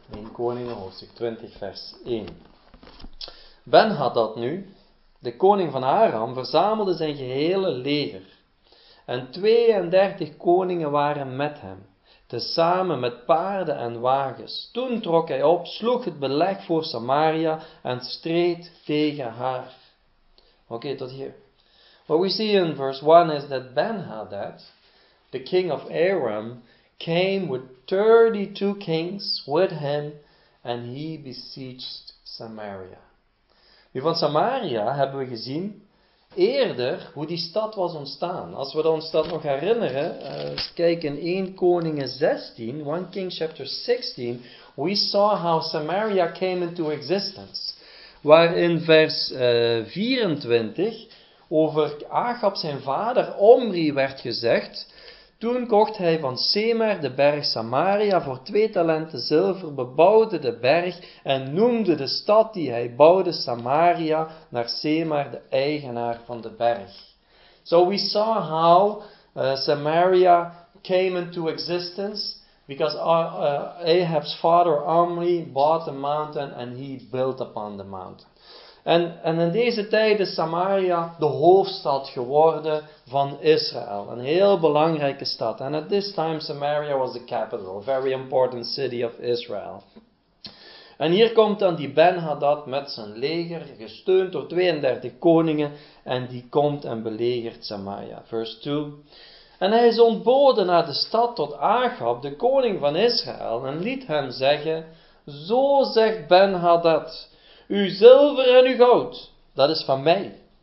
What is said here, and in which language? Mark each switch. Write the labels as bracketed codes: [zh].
[nl] In Koningen hoofdstuk 20 vers 1. Ben-Hadad nu, de koning van Aram, verzamelde zijn gehele leger. En 32 koningen waren met hem, tezamen met paarden en wagens. Toen trok hij op, sloeg het beleg voor Samaria en streed tegen haar. Oké, tot hier. [en] What we see in verse 1 is that Ben-Hadad, the king of Aram, came with 32 kings with him and he besieged Samaria. [nl] Nu, van Samaria hebben we gezien eerder hoe die stad was ontstaan. Als we ons dat nog herinneren, eens kijken in 1 Koningen 16, [en] 1 Kings chapter 16, we saw how Samaria came into existence. [nl] Waar in vers 24 over Achab zijn vader Omri werd gezegd, toen kocht hij van Semer de berg Samaria voor 2 talenten zilver, bebouwde de berg en noemde de stad die hij bouwde Samaria naar Semer, de eigenaar van de berg. [en] So we saw how Samaria came into existence because Ahab's father Omri bought the mountain and he built upon the mountain. [nl] En in deze tijd is Samaria de hoofdstad geworden van Israël. Een heel belangrijke stad. [en] And at this time Samaria was the capital, a very important city of Israel. [nl] En hier komt dan die Ben-Hadad met zijn leger, gesteund door 32 koningen. En die komt en belegert Samaria. Verse 2. En hij zond bode naar de stad tot Achab, de koning van Israël. En liet hem zeggen, zo zegt Ben-Hadad, uw zilver en uw goud, dat is van mij.